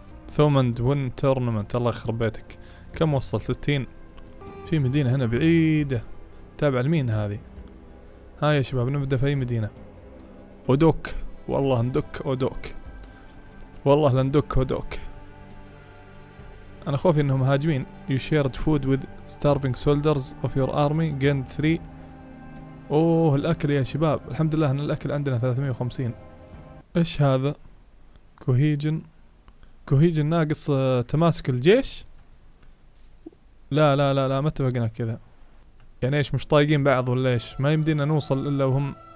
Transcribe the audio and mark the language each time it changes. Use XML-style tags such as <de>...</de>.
<ar>ثومند وين تورنمنت، الله يخرب بيتك. كم وصل؟ 60. في مدينة هنا بعيدة، تابع لمين هذه؟ ها يا شباب نبدأ في اي مدينة؟ اودوك، والله ندك اودوك، والله لندك اودوك. انا خوفي انهم هاجمين.</ar> <en>You shared food with starving soldiers of your army gained 3.</en> <ar>اوه الاكل يا شباب، الحمد لله ان الاكل عندنا 350. ايش هذا؟ كوهيجن، كوهيجن ناقص تماسك الجيش. لا لا لا لا ما اتفقنا كذا، يعني ايش مش طايقين بعض ولا ايش؟ ما يمدينا نوصل الا وهم.</ar>